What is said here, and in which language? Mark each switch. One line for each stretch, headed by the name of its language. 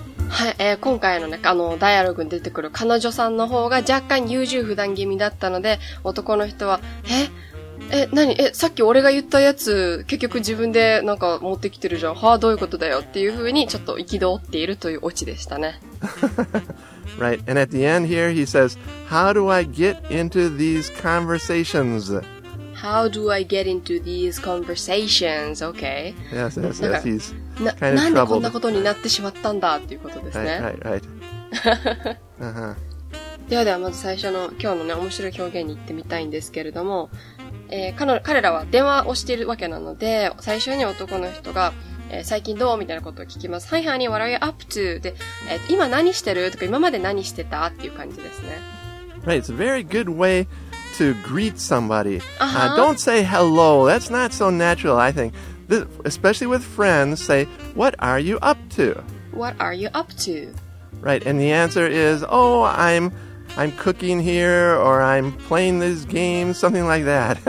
Japanese: はい、今回のね、ダイアログに出てくる彼女さんの方が若干優柔不断気味だったので、男の人は、何、さっき俺が言ったやつ、結局自分でなんか持ってきてるじゃん。はぁ、どういうことだよっていう風にちょっと憤っているというオチでしたね。
English: Right, and at the end here he says, How do I get into these conversations? How do I get into these conversations? Okay. Yes, yes, yes, he's kind of troubled.
Japanese: なんでこんなことになってしまったんだっていうことですね。
English: Right, right, right.
Japanese: ではではまず最初の今日のね、面白い表現に行ってみたいんですけれども、彼らは電話をしているわけなので、最初に男の人が、最近どうみたいなことを聞きます。
English: Hi, honey, what are you up to?
Japanese: で、今何してるとか今まで何してたっていう感じですね。
English: Right, it's a very good way to greet somebody. Don't say hello. That's not so natural, I think. This, especially with friends, say, what are you up to? What are you up to? Right, and the answer is, oh, I'm cooking here, or I'm playing this game, something like that.